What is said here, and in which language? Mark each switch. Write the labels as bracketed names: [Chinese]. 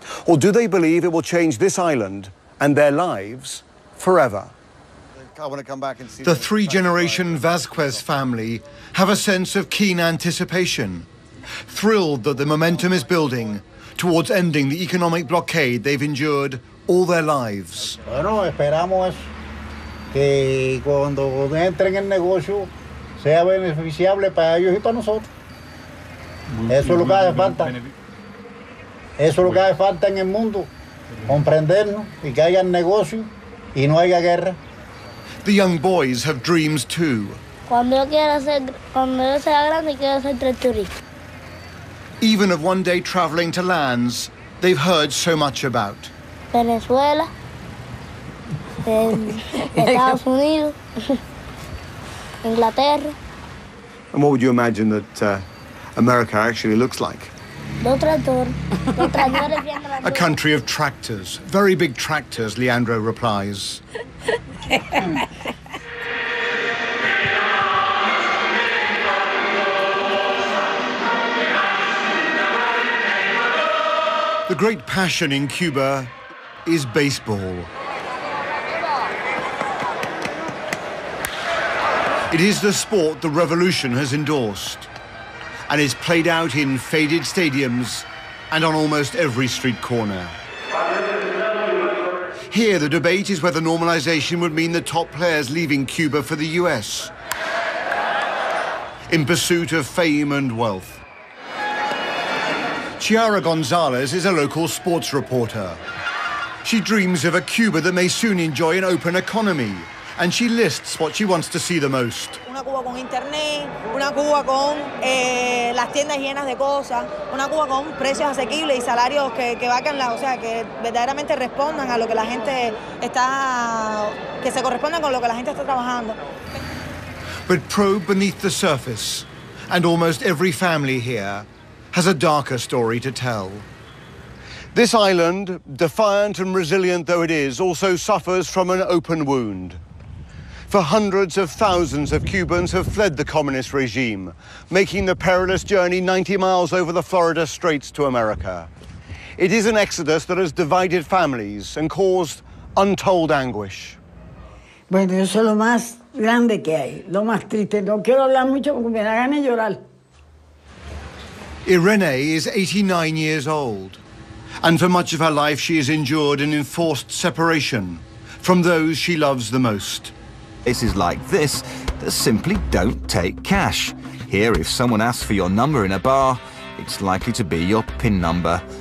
[English] Or do they believe it will change this island and their lives forever? I want to come back and see the three-generation Vasquez family have a sense of keen anticipation, thrilled that the momentum is building towards ending the economic blockade they've endured all their lives. [Spanish] Bueno, esperamos que cuando entren en negocio sea beneficiable para ellos y para nosotros. Eso es lo que hace falta. Eso es lo que hace falta en el mundo. Comprendernos y que haya negocio y no haya guerra. [English] The young boys have dreams too. Even of one day traveling to lands they've heard so much about. [Spanish] Venezuela, Estados Unidos, Inglaterra. [English] And what would you imagine that America actually looks like? A country of tractors, very big tractors, Leandro replies. The great passion in Cuba is baseball. It is the sport the revolution has endorsed, and is played out in faded stadiums and on almost every street corner. Here, the debate is whether normalization would mean the top players leaving Cuba for the US in pursuit of fame and wealth. Chiara Gonzalez is a local sports reporter. She dreams of a Cuba that may soon enjoy an open economy, and she lists what she wants to see the most. [Spanish] Una Cuba con internet, una Cuba con las tiendas llenas de cosas, una Cuba con precios asequibles y salarios que vayan la, o sea, que verdaderamente respondan a lo que la gente está, que se correspondan con lo que la gente está trabajando. [English] But probe beneath the surface, and almost every family here has a darker story to tell. This island, defiant and resilient though it is, also suffers from an open wound. For hundreds of thousands of Cubans have fled the communist regime, making the perilous journey 90 miles over the Florida Straits to America. It is an exodus that has divided families and caused untold anguish. [Spanish] Bueno, eso es lo más grande que hay, lo más triste. No quiero hablar mucho porque me da ganas de llorar. [English] Irene is 89 years old, and for much of her life she has endured an enforced separation from those she loves the most. Places like this that simply don't take cash. Here, if someone asks for your number in a bar, it's likely to be your PIN number.